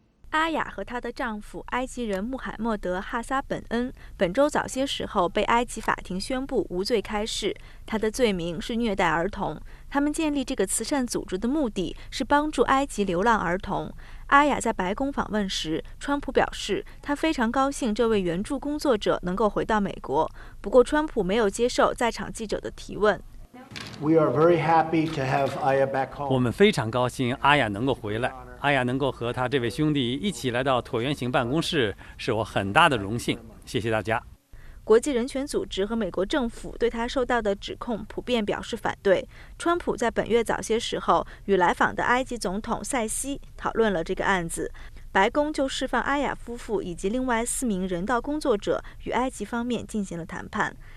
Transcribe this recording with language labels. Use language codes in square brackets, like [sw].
[zh] 阿雅和她的丈夫埃及人穆罕默德·哈萨本恩本周早些时候被埃及法庭宣布无罪开释，他的罪名是虐待儿童。他们建立这个慈善组织的目的是帮助埃及流浪儿童。阿雅在白宫访问时，川普表示他非常高兴这位援助工作者能够回到美国，不过川普没有接受在场记者的提问。 [en] We are very happy to have Aya back home. [zh] 我们非常高兴阿雅能够回来，阿雅能够和他这位兄弟一起来到椭圆形办公室，是我很大的荣幸。谢谢大家。国际人权组织和美国政府对他受到的指控普遍表示反对。川普在本月早些时候与来访的埃及总统塞西讨论了这个案子，白宫就释放阿雅夫妇以及另外四名人道工作者与埃及方面进行了谈判。